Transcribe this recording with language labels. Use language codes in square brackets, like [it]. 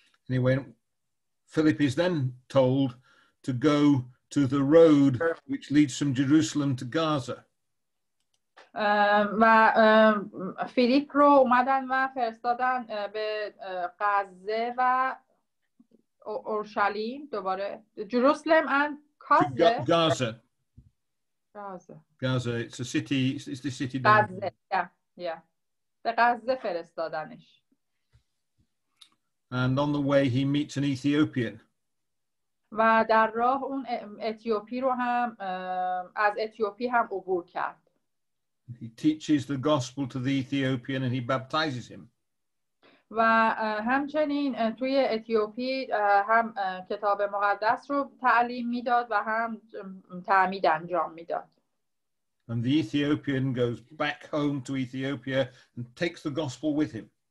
[en] Anyway, Philip is then told to go to the road which leads from Jerusalem to Gaza. [fa] و فیلیپ رو اومدن و فرستادن به غزه و اورشلیم دوباره [en] Jerusalem and کازه Gaza Gaza it's a city it's the city [fa] غزه به غزه فرستادنش [en] and on the way he meets an Ethiopian [fa] و در راه اون اتیوپی رو هم از اتیوپی هم عبور کرد [en] he teaches the gospel to the Ethiopian and he baptizes him [fa] و همچنین توی اتیوپی هم کتاب مقدس رو تعلیم میداد و هم تعمید انجام میداد. [en] And the Ethiopian goes back home to Ethiopia and takes the gospel with him.